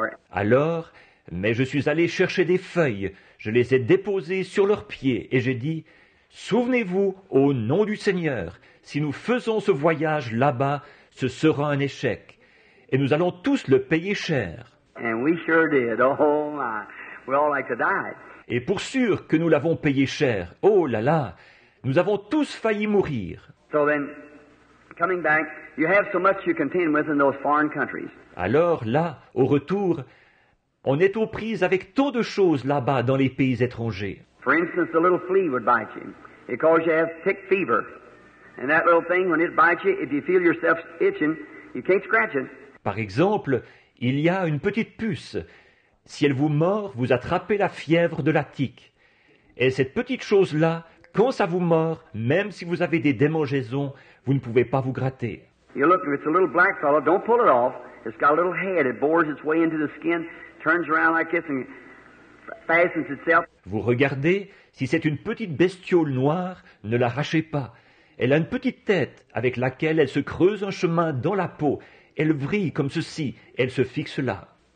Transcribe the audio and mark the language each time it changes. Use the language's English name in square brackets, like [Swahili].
[French] Alors, mais je suis allé chercher des feuilles, je les ai déposées sur leurs pieds et j'ai dit, souvenez-vous, au nom du Seigneur, si nous faisons ce voyage là-bas, ce sera un échec et nous allons tous le payer cher. [English] And we sure did. Oh my. We all like to die. [French] Et pour sûr que nous l'avons payé cher. Oh là là, nous avons tous failli mourir. [English] So then, coming back, you have so much to contend with in those foreign countries. [French] Alors là, au retour, on est aux prises avec tant de choses là-bas dans les pays étrangers. [English] For instance, the little flea would bite you. It causes you to have tick fever. And that little thing, when it bites you, if you feel yourself itching, you can't scratch it. [French] Par exemple, il y a une petite puce. Si elle vous mord, vous attrapez la fièvre de la tique. Et cette petite chose-là, quand ça vous mord, même si vous avez des démangeaisons, vous ne pouvez pas vous gratter. [English] You look, it's a little black fellow. Don't pull it off. It's got a little head. It bores its way into the skin, turns around like this, and fastens itself. [French] Vous regardez, si c'est une petite bestiole noire, ne l'arrachez pas. Elle a une petite tête avec laquelle elle se creuse un chemin dans la peau. Elle vrille comme ceci, elle se fixe là.